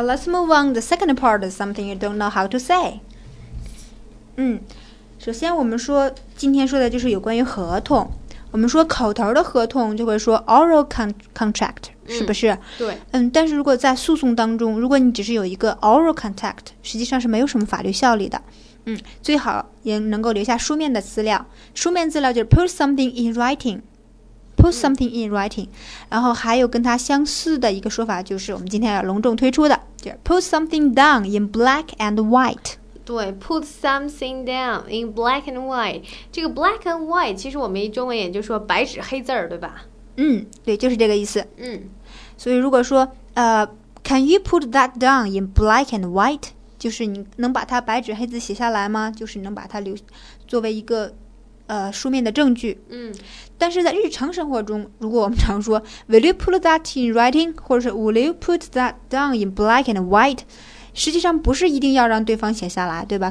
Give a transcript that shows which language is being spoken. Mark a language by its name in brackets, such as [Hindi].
[English] let's move on to the second part of something you don't know how to say. [Chinese] 首先我们说今天说的就是有关于合同。我们说口头的合同就会说 [English] oral contract， [Chinese] 是不是？对。但是如果在诉讼当中，如果你只是有一个 [English] oral contract， [Chinese] 实际上是没有什么法律效力的。最好也能够留下书面的资料。书面资料就是 [English] put something in writing， put something in writing。 [Chinese] 然后还有跟它相似的一个说法，就是我们今天要隆重推出的，就是 [English] put something down in black and white。 [Chinese] 对 ， [English] put something down in black and white。 [Chinese] 这个 black and white 其实我们中文也就说白纸黑字儿，对吧？对，就是这个意思。嗯，所以如果说 [English] can you put that down in black and white？ [Chinese] 就是你能把它白纸黑字写下来吗？就是能把它留作为一个书面的证据。但是在日常生活中，如果我们常说 [English] will you put that in writing， [Chinese] 或者是 [English] will you put that down in black and white？ [Chinese] 实际上不是一定要让对方写下来，对吧？